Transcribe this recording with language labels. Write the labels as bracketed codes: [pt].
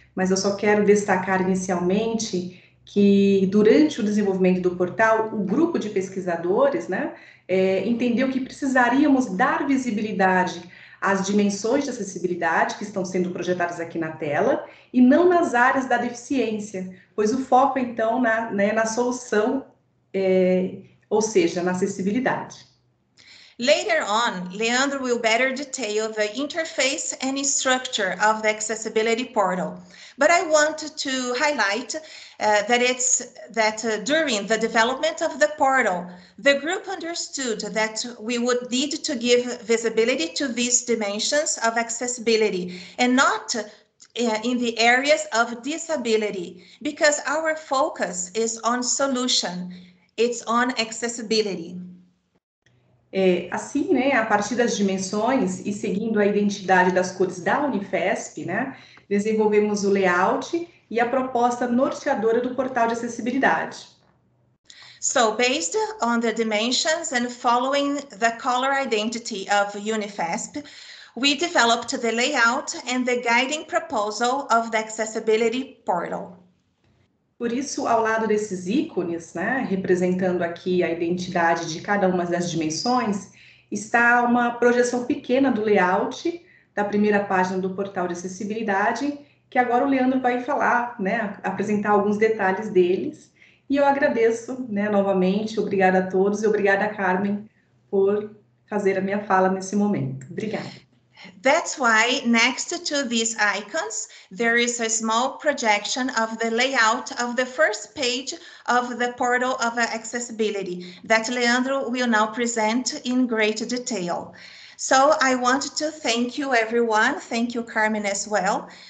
[pt] Mas eu só quero destacar inicialmente que durante o desenvolvimento do portal, o grupo de pesquisadores, né, entendeu que precisaríamos dar visibilidade às dimensões de acessibilidade que estão sendo projetadas aqui na tela e não nas áreas da deficiência, pois o foco, então, na solução, ou seja, na acessibilidade. [en] Later on, Leandro will better detail the interface and structure of the accessibility portal. But I want to highlight during the development of the portal, the group understood that we would need to give visibility to these dimensions of accessibility and not in the areas of disability, because our focus is on solution, it's on accessibility. [pt] Assim, né, a partir das dimensões e seguindo a identidade das cores da Unifesp, né, desenvolvemos o layout e a proposta norteadora do portal de acessibilidade. [en] So, based on the dimensions and following the color identity of Unifesp, we developed the layout and the guiding proposal of the accessibility portal. [pt] Por isso, ao lado desses ícones, né, representando aqui a identidade de cada uma das dimensões, está uma projeção pequena do layout da primeira página do portal de acessibilidade, que agora o Leandro vai falar, né, apresentar alguns detalhes deles. E eu agradeço, né, novamente, obrigada a todos e obrigada a Carmen por fazer a minha fala nesse momento. Obrigada. [en] That's why next to these icons, there is a small projection of the layout of the first page of the portal of accessibility that Leandro will now present in great detail. So I want to thank you everyone. Thank you, Carmen, as well.